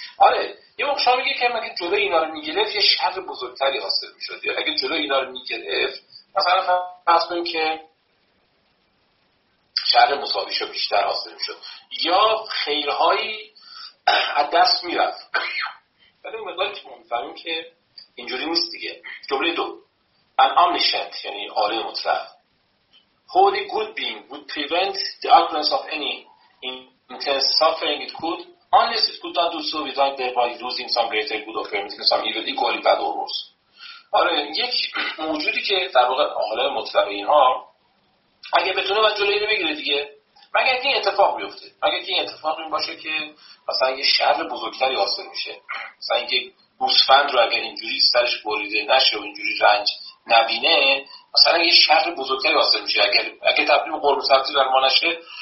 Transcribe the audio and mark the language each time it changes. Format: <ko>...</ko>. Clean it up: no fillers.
<fa>آره یه موقع شما میگه که اگه جلو اینا رو میگرفت یه شر بزرگتری حاصل میشد، یا اگه جلو اینا رو میگرفت مثلا فرض کنیم که شر مساویشو بیشتر حاصل میشد یا خیرهایی از دست میرفت. ولی مقداری که ما میفهمیم که اینجوری نیست دیگه. جمله دو</fa> <en>an omniscient</en> <fa>یعنی عالم مطلق</fa> <en>holy good being would prevent the occurrence of any intense suffering it could Unless it could not do so without thereby losing some greater good or permitting some evil equally bad or worse.</en> <fa>آره یک موجودی که در واقع حالا مطلقه اینها اگه بتونه بعد جلوی اینو بگیره دیگه، مگه این اتفاق بیفته، مگه این اتفاق این باشه که مثلا یه شر بزرگتری حاصل میشه، مثلا اینکه گوسفند رو اگر اینجوری سرش بریده نشه و اینجوری رنج نبینه، مثلا یه شر بزرگتری حاصل میشه اگه تبدیل قرمه سبزی بر ما نشه.</fa>